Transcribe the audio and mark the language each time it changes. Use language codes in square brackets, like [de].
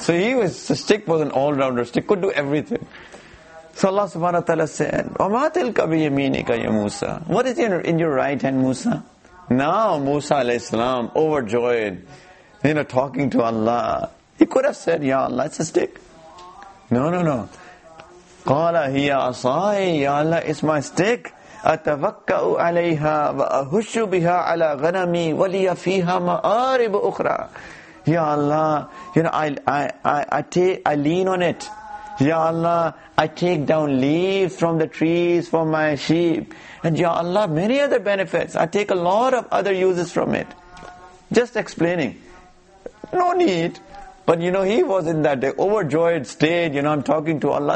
[en] So the stick was an all-rounder stick. Could do everything. So Allah subhanahu wa ta'ala said, [ar] وَمَا تِلْكَ بِيَمِينِكَ يَا مُوسَى. [en] What is in your right hand, Musa? Now Musa alayhi salam, overjoyed. You know, talking to Allah. He could have said, Ya Allah, it's a stick. No. [ar] قَالَ هِيَ عَصَائِ [en] Ya Allah, it's my stick. [ar] أَتَوَكَّأُ عَلَيْهَا وَأَهُشُّ بِهَا عَلَىٰ غَنَمِي وَلِيَ فِيهَا مَآرِبُ أُخْرَىٰ [en] Ya Allah, you know, I lean on it. Ya Allah, I take down leaves from the trees for my sheep. And Ya Allah, many other benefits. I take a lot of other uses from it. Just explaining. No need. But you know, he was in that overjoyed state. You know, I'm talking to Allah.